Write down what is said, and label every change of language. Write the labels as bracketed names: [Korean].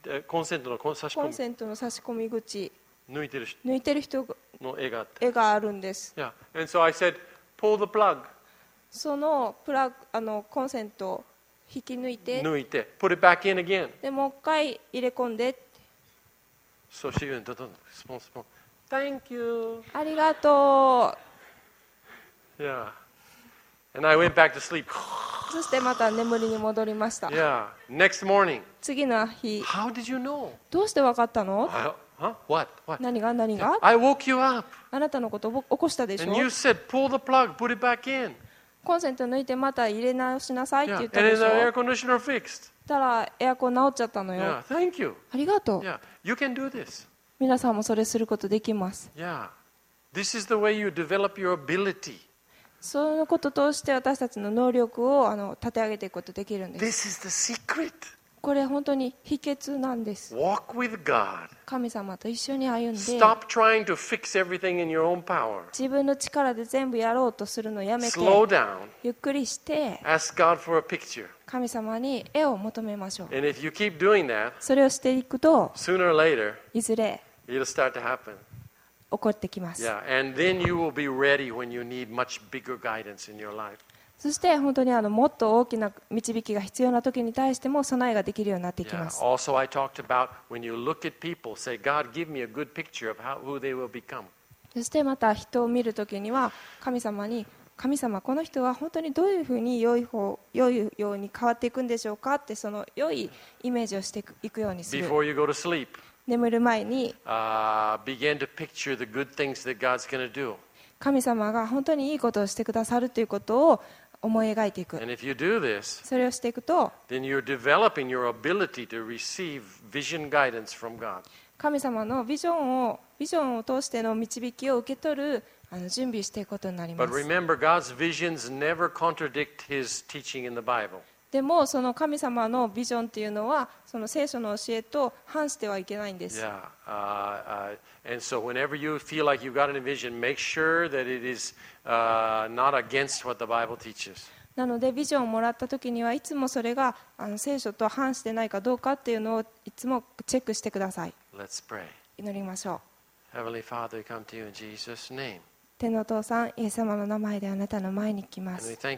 [Japanese] コンセントの差し込み。コンセントの差し込み口。抜いてる人の絵があって。絵があるんです。 [English] Yeah. And so I said, pull the plug. [Japanese] そのプラグ、コンセントを引き抜いて。抜いて。 [English] Put it back in again. [Japanese] で、もう一回入れ込んで。 [English] So she went, [Japanese] どんどん、スポンスポン。 [English] Thank you. [Japanese] ありがとう。 [English] Yeah. And I went back to sleep. [Japanese] そしてまた眠りに戻りました。 [English] Yeah. Next morning. [Japanese] 次の日。 [English] How did you know? [Japanese] どうして分かったの？ [English] What? [Japanese] 何が [English] I woke you up. [Japanese] あなたのことを起こしたでしょ？ [English] And you said, pull the plug, put it back in. [Japanese] コンセント抜いてまた入れ直しなさいって言ったでしょ？ [English] And the air conditioner fixed. [Japanese] たらエアコン直っちゃったのよ。 [English] Yeah. Thank you. [Japanese] ありがとう。 [English] Yeah. You can do this. [Japanese] 皆さんもそれすることできます。 [English] Yeah. This is the way you develop your ability. [Japanese] そのことを通して私たちの能力を立て上げていくことができるんです。 [English] This is the secret. [Japanese] これ本当に秘訣なんです。 [English] Walk with God. [Japanese] 神様と一緒に歩んで。 [English] Stop trying to fix everything in your own power. [Japanese] 自分の力で全部やろうとするのをやめて。 [English] Slow down. [Japanese] ゆっくりして。 [English] Ask God for a picture. [Japanese] 神様に絵を求めましょう。 [English] And if you keep doing that, [Japanese] それをしていくと、 [English] sooner or later, [Japanese] いずれ、 [English] it'll start to happen. [Japanese] 起こってきます。 [English] Yeah, and then you will be ready when you need much bigger guidance in your life. [Japanese] そして本当にもっと大きな導きが必要な時に対しても備えができるようになってきます。 [English] Yeah, also I talked about when you look at people, say, God, give me a good picture of who they will become. [Japanese] そしてまた人を見る時には神様に、神様この人は本当にどういうふうに良いように変わっていくんでしょうかってその良いイメージをしていくようにする。 [English] Before you go to sleep. [Japanese] 眠る前に、 [English] begin to picture the good things that God's going to do. [Japanese] 神様が本当にいいことをしてくださるということを思い描いていく。 [English] And if you do this, [Japanese] それをしていくと、 [English] then you're developing your ability to receive vision guidance from God. [Japanese] 神様のビジョンを通しての導きを受け取る準備していくことになります。 [English] But remember, God's visions never contradict His teaching in the Bible. [Japanese] でもその神様のビジョンっていうのはその聖書の教えと反してはいけないんです。 [English] Yeah. And so whenever you feel like you've got a vision, make sure that it is not against what the Bible teaches. [Japanese] なのでビジョンをもらった時にはいつもそれが聖書と反してないかどうかっていうのをいつもチェックしてください。 [English] Let's pray. [Japanese] 祈りましょう。 [English] Heavenly Father, we come to you in Jesus' name. [Japanese] 天のお父さん、イエス様の名前であなたの前に来ます。